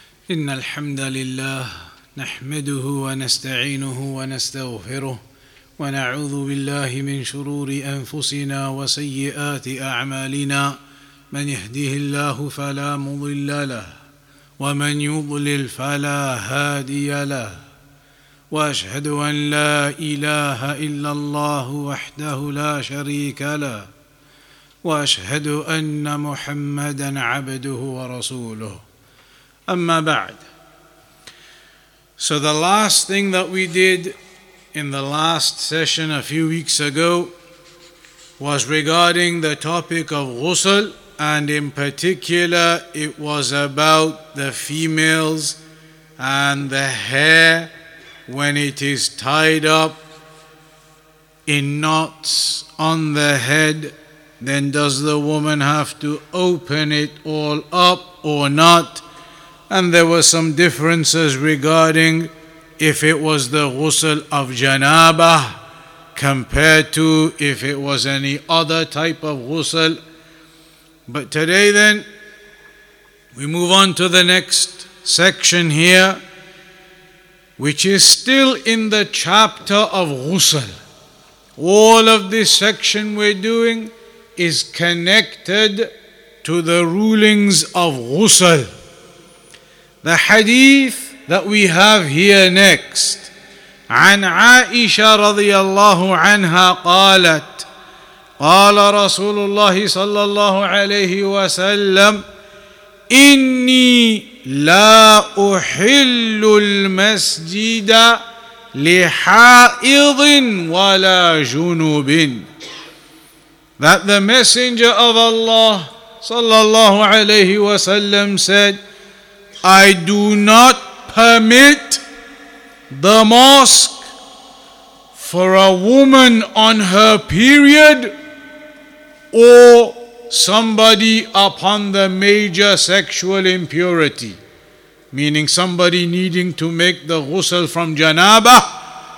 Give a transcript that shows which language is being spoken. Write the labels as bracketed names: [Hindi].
[Arabic] إن الحمد لله نحمده ونستعينه ونستغفره ونعوذ بالله من شرور أنفسنا وسيئات أعمالنا من يهده الله فلا مضل له ومن يضلل فلا هادي له وأشهد أن لا إله إلا الله وحده لا شريك له وأشهد أن محمدًا عبده ورسوله أما بعد. [English] So the last thing that we did in the last session a few weeks ago was regarding the topic of ghusl, and in particular it was about the females and the hair when it is tied up in knots on the head. Then does the woman have to open it all up or not? And there were some differences regarding if it was the ghusl of janabah compared to if it was any other type of ghusl. But today then, we move on to the next section here, which is still in the chapter of ghusl. All of this section we're doing is connected to the rulings of ghusl. The hadith that we have here next, [Arabic] عن عائشة رضي الله عنها قالت قال رسول الله صلى الله عليه وسلم إني لا أحل المسجد لحائض ولا جنوب. [English] That the Messenger of Allah sallallahu alayhi wa sallam said, I do not permit the mosque for a woman on her period or somebody upon the major sexual impurity, meaning somebody needing to make the ghusl from janabah.